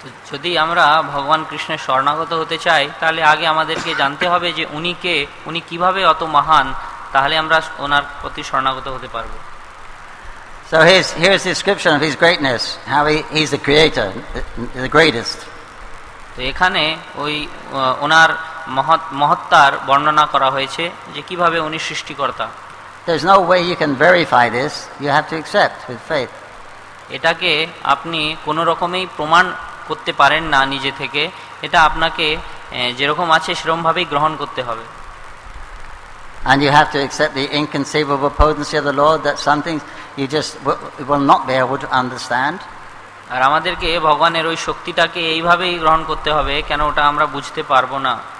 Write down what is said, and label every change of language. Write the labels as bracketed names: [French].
[Bangla] যদি আমরা ভগবান কৃষ্ণের শরণাগত হতে চাই, তাহলে আগে আমাদেরকে জানতে হবে যে উনি কে, উনি কিভাবে অত মহান, তাহলে আমরা ওনার প্রতি শরণাগত হতে পারব। [English] So here's the description of his greatness, how he's the creator, the greatest. [Bangla] তো এখানে ওই ওনার মহত্তার বর্ণনা করা হয়েছে যে কিভাবে উনি সৃষ্টিকর্তা। [English] There's no way you can verify this, you have to accept with faith. [Bangla] এটাকে আপনি কোনো রকমেই প্রমাণ করতে পারেন না নিজে থেকে, এটা আপনাকে যেরকম আছে সেরকম ভাবেই গ্রহণ করতে হবে। [English] And you have to accept the inconceivable potency of the Lord, that some things you just will not be able to understand. [Bangla] আর আমাদেরকে ভগবানের ওই শক্তিটাকে এইভাবেই গ্রহণ করতে হবে, কেন ওটা আমরা বুঝতে পারবো না।